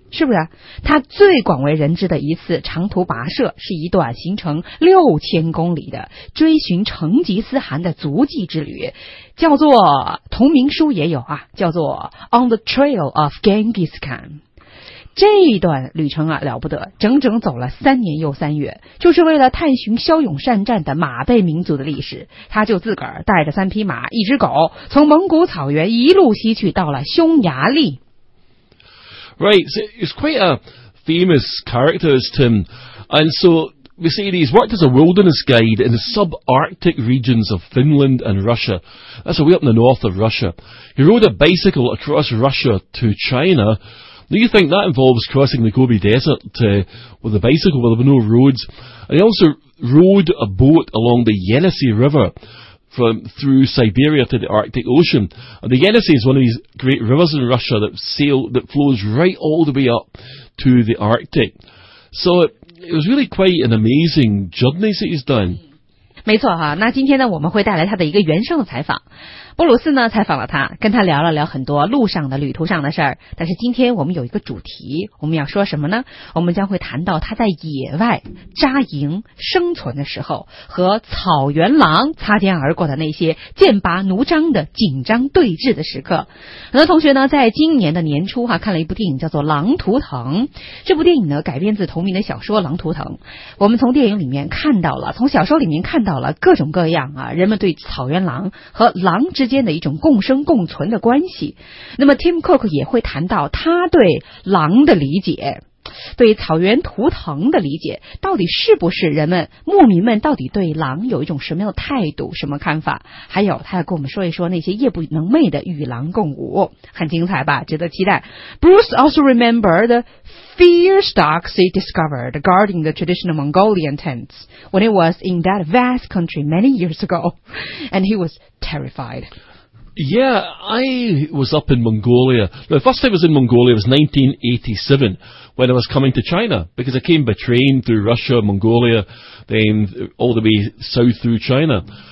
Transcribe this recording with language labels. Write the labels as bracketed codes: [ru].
[zh] 是不是？他最广为人知的一次长途跋涉是一段行程6000公里的追寻成吉思汗的足迹之旅，叫做同名书也有啊，叫做 On the Trail of Genghis Khan。这一段旅程啊了不得，整整走了3年又3月，就是为了探寻骁勇善战的马背民族的历史。他就自个儿带着3匹马、1只狗，从蒙古草原一路西去，到了匈牙利。 [en] Right, so it's quite a famous character, Tim, and so we see he's worked as a wilderness guide in the subarctic regions of Finland and Russia. That's way up in the north of Russia. He rode a bicycle across Russia to China. Now you think that involves crossing the Gobi Desert, with a bicycle, where there were no roads. And he also rode a boat along the Yenisei River through Siberia to the Arctic Ocean. And the Yenisei is one of these great rivers in Russia that flows right all the way up to the Arctic. So it was really quite an amazing journey that he's done. [zh] 没错哈，那今天呢，我们会带来他的一个原声的采访。布鲁斯呢采访了他，跟他聊了聊很多路上的、旅途上的事儿。但是今天我们有一个主题，我们要说什么呢？我们将会谈到他在野外扎营生存的时候，和草原狼擦肩而过的那些剑拔弩张的紧张对峙的时刻。很多同学呢，在今年的年初哈，看了一部电影叫做《狼图腾》。这部电影呢，改编自同名的小说《狼图腾》。我们从电影里面看到了，从小说里面看到了各种各样啊，人们对草原狼和狼之间的一种共生共存的关系。那么 Tim Cook 也会谈到他对狼的理解，对草原图腾的理解，到底是不是人们牧民们到底对狼有一种什么样的态度、什么看法？还有，他要跟我们说一说那些夜不能寐的与狼共舞，很精彩吧？值得期待。 [en] Bruce also remembered the fierce dogs he discovered guarding the traditional Mongolian tents when he was in that vast country many years ago, and he was terrified. Yeah, I was up in Mongolia. The first time I was in Mongolia was 1987, when I was coming to China, because I came by train through Russia, Mongolia, then all the way south through China.